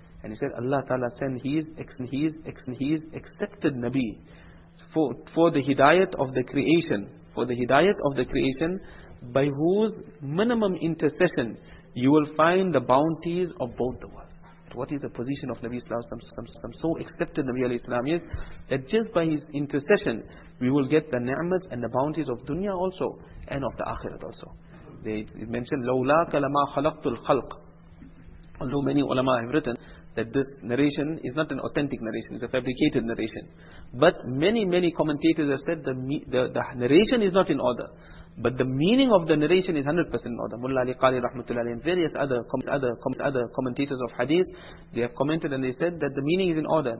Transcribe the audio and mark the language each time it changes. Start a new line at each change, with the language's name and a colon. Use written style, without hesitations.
English: And he said Allah Ta'ala sent his accepted Nabi for the hidayat of the creation by whose minimum intercession you will find the bounties of both the worlds. What is the position of Nabi Sallallahu Alaihi Wasallam? Some so accepted Nabi Alayhi Salaam is that just by his intercession we will get the ni'mat and the bounties of dunya also and of the akhirat also. They mentioned
Arabic: لَوْلَا كَلَمَا خَلَقْتُ الْخَلْقِ.
English: Although many ulama have written that this narration is not an authentic narration, it's a fabricated narration. But many commentators have said the narration is not in order. But the meaning of the narration is 100% in order. Mullah Ali Qali Rahmatullah Ali and various other commentators of hadith, they have commented and they said that the meaning is in order.